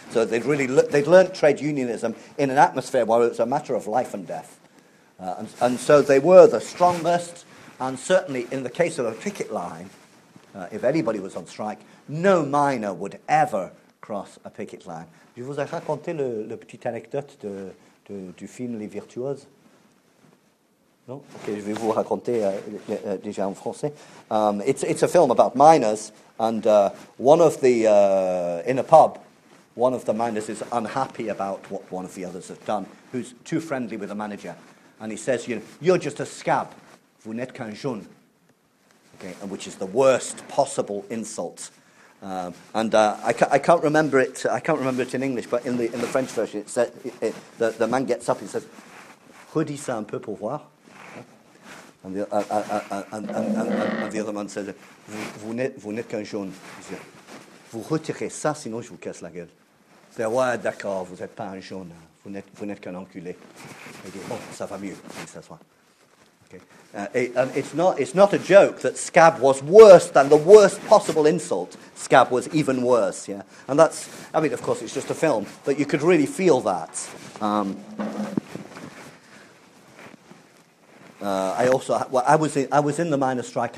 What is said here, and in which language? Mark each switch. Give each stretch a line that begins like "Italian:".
English: So they'd learnt trade unionism in an atmosphere where it was a matter of life and death. And so they were the strongest, and certainly in the case of a picket line, if anybody was on strike, no miner would ever cross a picket line.
French: Je vous ai raconté le petite anecdote du film Les Virtuoses. Non? Ok, je vais vous raconter déjà en français.
English: It's a film about miners, and in a pub, one of the miners is unhappy about what one of the others has done, who's too friendly with the manager, and he says, "You're just a scab.
French: Vous n'êtes qu'un jeune."
English: Okay, and which is the worst possible insult. I can't remember it in English, but in the French version, the man gets up and says,
French: "Redis ça un peu pour voir."
English: And the other man says,
French: vous n'êtes qu'un jeune. "Vous retirez ça, sinon je vous casse la gueule."
English: He says,
French: "Ouais, d'accord, vous n'êtes pas un jeune. Vous n'êtes qu'un enculé." He says, "Bon, ça va mieux."
English: Okay. Okay. It's not a joke that scab was worse than the worst possible insult. Scab was even worse, yeah? And that's, I mean, of course, it's just a film, but you could really feel that. I was in the miners' strike.